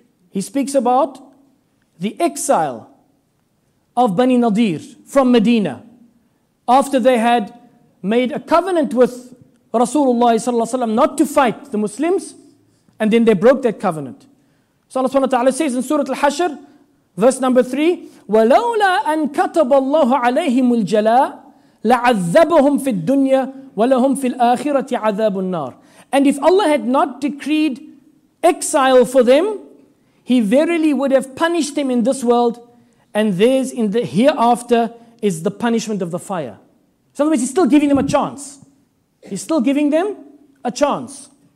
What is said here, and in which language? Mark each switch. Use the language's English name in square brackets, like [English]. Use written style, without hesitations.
[English] He speaks about the exile of Bani Nadir from Medina after they had made a covenant with Rasulullah sallallahu alaihi wasallam not to fight the Muslims, and then they broke that covenant. So Allah subhanahu wa ta'ala says in Surah Al-Hashr, verse number 3, [Arabic] وَلَوْلَا أَن كَتَبَ اللَّهُ عَلَيْهِمُ الْجَلَاءَ لَعَذَّبَهُمْ فِي الدُّنْيَا وَلَهُمْ فِي الْآخِرَةِ عَذَابُ النَّارِ. [English] And if Allah had not decreed exile for them, He verily would have punished them in this world, and theirs in the hereafter is the punishment of the fire. So in other words, He's still giving them a chance. He's still giving them a chance.